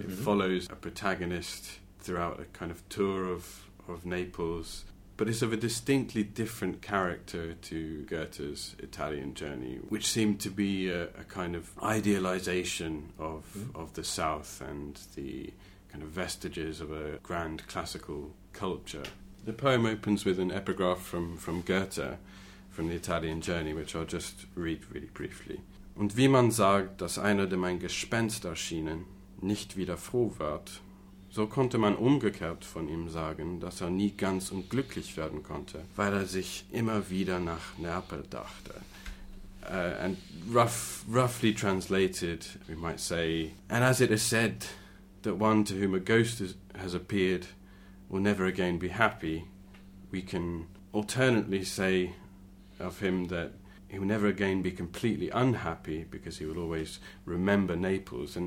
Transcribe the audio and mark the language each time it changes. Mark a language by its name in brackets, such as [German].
[English] Mm-hmm. It follows a protagonist throughout a kind of tour of Naples, but it's of a distinctly different character to Goethe's Italian journey, which seemed to be a kind of idealization of the South and the kind of vestiges of a grand classical culture. The poem opens with an epigraph from Goethe from the Italian journey, which I'll just read really briefly. [German] Und wie man sagt, dass einer, dem ein Gespenst erschienen, nicht wieder froh ward, so konnte man umgekehrt von ihm sagen, dass er nie ganz und glücklich werden konnte, weil er sich immer wieder nach Neapel dachte. [English] And roughly translated, we might say, and as it is said that one to whom a ghost has appeared will never again be happy, we can alternately say of him that he will never again be completely unhappy because he will always remember Naples.